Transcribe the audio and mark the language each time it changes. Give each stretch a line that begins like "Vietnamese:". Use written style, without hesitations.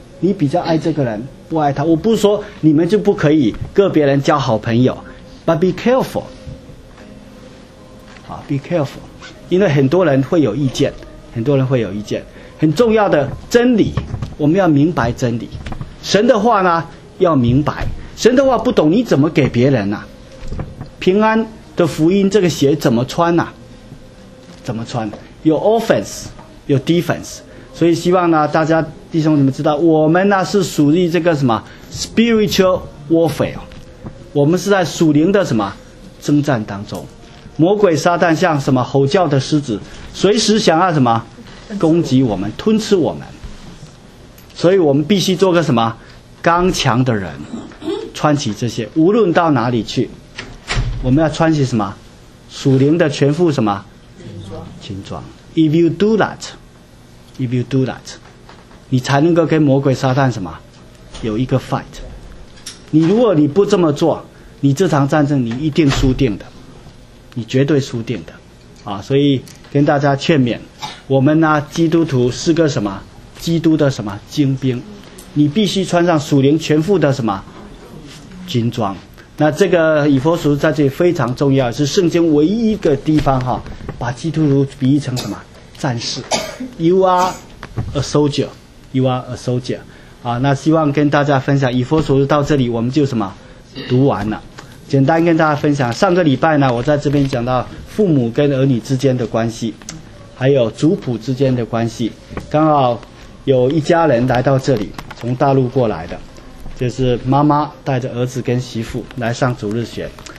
Chinese: 你比较爱这个人不爱他，我不是说你们就不可以个别人交好朋友，
English: but be carefulBe careful，
Chinese: 因为很多人会有意见，很多人会有意见。很重要的真理，我们要明白真理。神的话呢，要明白。神的话不懂，你怎么给别人呢？平安的福音这个鞋怎么穿呢？怎么穿？有 offense， 有 defense。所以希望呢，大家弟兄你们知道，我们呢是属于这个什么 spiritual warfare， 我们是在属灵的什么征战当中。魔鬼撒旦像什么吼叫的狮子，随时想要什么攻击我们，吞吃我们。所以我们必须做个什么刚强的人，穿起这些，无论到哪里去，我们要穿起什么属灵的全副什么军装。
English: If you do that,
Chinese: if you do that, 你才能够跟魔鬼撒旦什么有一个 fight。你如果你不这么做，你这场战争你一定输定的，你绝对输定的啊！所以跟大家劝勉我们呢，基督徒是个什么基督的什么精兵，你必须穿上属灵全副的什么军装。那这个以弗所书在这里非常重要，是圣经唯一一个地方哈，把基督徒比喻成什么战士。
English: You are a soldier, you are a soldier 啊。
Chinese: 那希望跟大家分享以弗所书到这里我们就什么读完了。简单跟大家分享，上个礼拜呢我在这边讲到父母跟儿女之间的关系，还有族谱之间的关系。刚好有一家人来到这里，从大陆过来的，就是妈妈带着儿子跟媳妇来上主日学。